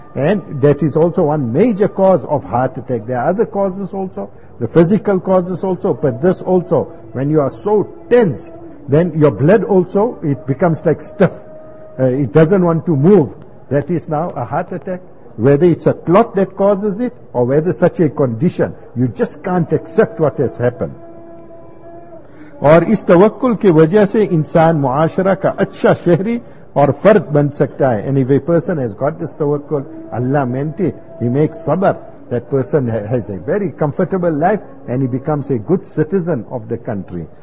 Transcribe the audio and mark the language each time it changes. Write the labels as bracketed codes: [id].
[en] And that is also one major cause of heart attack. There are other causes also, the physical causes also, but this also, when you are so tense, then your blood also, it becomes like stiff. It doesn't want to move. That is now a heart attack. Whether it's a clot that causes it, or whether such a condition, you just can't accept what has happened. [ur] اور اس توکل کی وجہ سے انسان معاشرہ کا اچھا شہری اور فرد بن سکتا ہے. [en] And if a person has got this توکل, Allah meant it, he makes sabr, that person has a very comfortable life and he becomes a good citizen of the country.